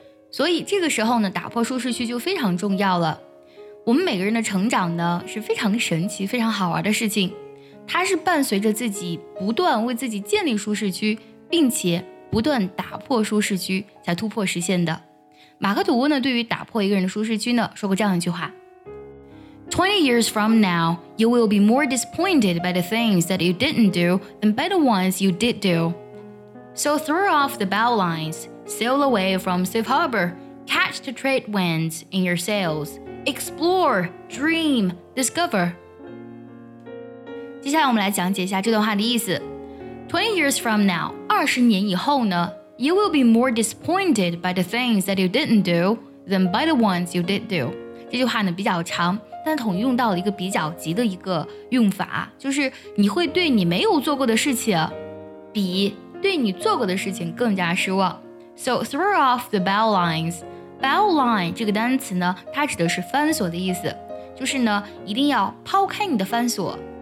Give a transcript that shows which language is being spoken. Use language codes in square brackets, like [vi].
[zh] 所以这个时候呢，打破舒适区就非常重要了。我们每个人的成长呢，是非常神奇非常好玩的事情，它是伴随着自己不断为自己建立舒适区，并且不断打破舒适区才突破实现的。马克吐温呢，对于打破一个人的舒适区呢，说过这样一句话， [en] 20 years from now you will be more disappointed by the things that you didn't do than by the ones you did do. So throw off the bow lines, sail away from safe harbor, catch the trade winds in your sailsExplore, dream, discover. [zh] 接下来我们来讲解一下这段话的意思。 [en] 20 years from now, [zh] 20年以后呢， [en] you will be more disappointed by the things that you didn't do than by the ones you did do. [zh] 这句话呢比较长，但统一用到了一个比较急的一个用法，就是你会对你没有做过的事情比对你做过的事情更加失望。 [en] So throw off the bow linesBow line [zh] 这个单词呢，它指的是翻锁的意思，就是呢，一定要抛开你的翻锁。